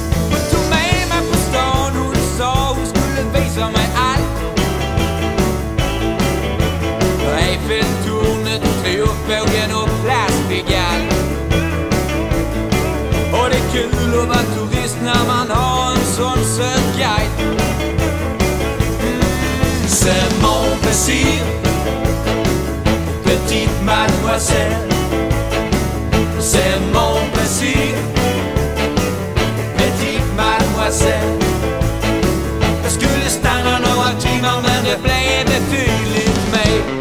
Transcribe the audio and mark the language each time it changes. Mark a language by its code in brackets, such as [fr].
[sv] Hon tog med mig på stan, hon sa hon skulle visa mig allt. Eiffeltornet, triumfbågen och plastbyggan. Och det är kul att vara turist när man har en sån söt guide. [fr] C'est mon plaisir, petite mademoiselle, c'est mon plaisir, petite mademoiselle. [sv] Jag skulle stanna några timmar, men det blev betydligt mer.